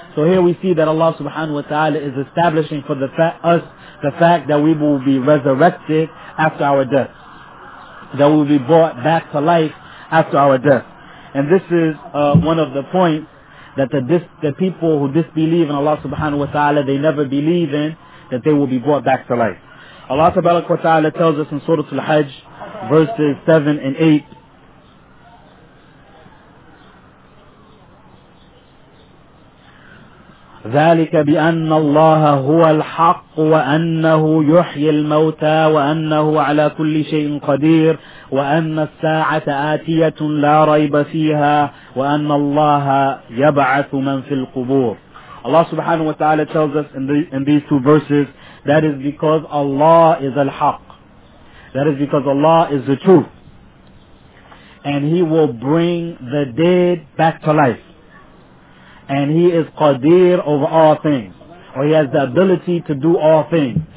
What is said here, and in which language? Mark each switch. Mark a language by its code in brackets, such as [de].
[en] So here we see that Allah subhanahu wa ta'ala is establishing for the fact that we will be resurrected after our death, that we will be brought back to life after our death. And this is one of the points that the people who disbelieve in Allah subhanahu wa ta'ala, they never believe in that they will be brought back to life. Allah subhanahu wa ta'ala tells us in Surah Al-Hajj, verses 7 and 8, [ar] ذلك بأن الله هو الحق وأنه يحيي الموتى وأنه على كل شيء قدير وأن الساعة آتية لا ريب فيها وأن الله يبعث من في القبور. [en] Allah subhanahu wa ta'ala tells us in these two verses, that is because Allah is al-haq. That is because Allah is the truth. And He will bring the dead back to life. And He is Qadir over all things. Or He has the ability to do all things.